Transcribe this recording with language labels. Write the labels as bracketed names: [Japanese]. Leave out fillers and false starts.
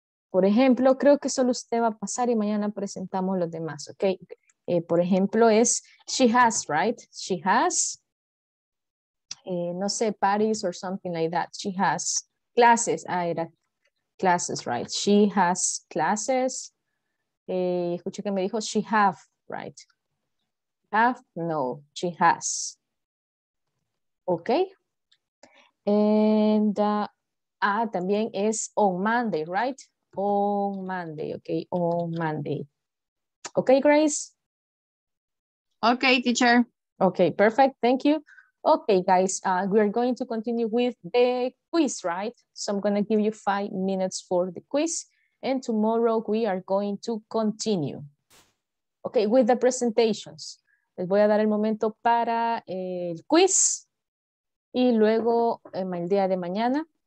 [Spanish] Por ejemplo, creo que solo usted va a pasar y mañana presentamos los demás, ¿ok? Por ejemplo, es [English] she has, [Spanish] right? [English] She has, no sé, parties or something like that. She has classes. [Spanish] Ah, era [English] classes, right? She has classes. [Spanish] Escuché que me dijo [English] she have, right? Have, no, she has. ¿Ok? And, también es on Monday, right? On Monday, okay. On Monday, okay, Grace. Okay, teacher. Okay, perfect. Thank you. Okay, guys. We are going to continue with the quiz, right? So I'm gonna give you 5 minutes for the quiz, and tomorrow we are going to continue. Okay, with the presentations. [Spanish] Les voy a dar el momento para el quiz, y luego el día de mañana.